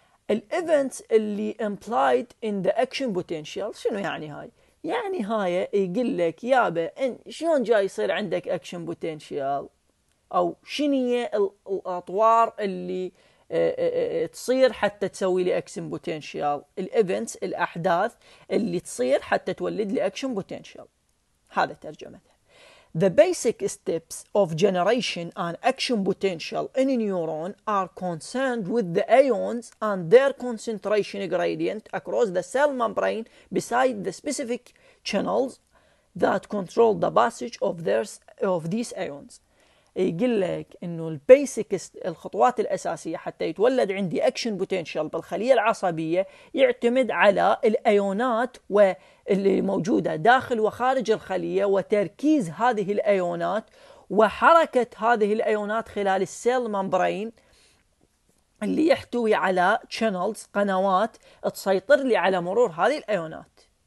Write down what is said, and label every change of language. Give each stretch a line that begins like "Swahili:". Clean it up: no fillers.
Arabic: الايفنتس اللي امبلايد ان ذا اكشن بوتنشال، شنو يعني هاي؟ يعني هاي يقول لك يابا ان شلون جاي يصير عندك اكشن بوتنشال، او شنو هي الاطوار اللي تصير حتى تسوي لي اكشن بوتنشال، الايفنتس الاحداث اللي تصير حتى تولد لي اكشن بوتنشال. هذا ترجمته.
English: The basic steps of generation and action potential in a neuron are concerned with the ions and their concentration gradient across the cell membrane beside the specific channels that control the passage of these ions.
Arabic: يقول لك انه البيسك الخطوات الاساسيه حتى يتولد عندي اكشن بوتنشال بالخليه العصبيه يعتمد على الايونات واللي موجوده داخل وخارج الخليه، وتركيز هذه الايونات وحركه هذه الايونات خلال السيل ممبرين اللي يحتوي على شانلز، قنوات تسيطر لي على مرور هذه الايونات.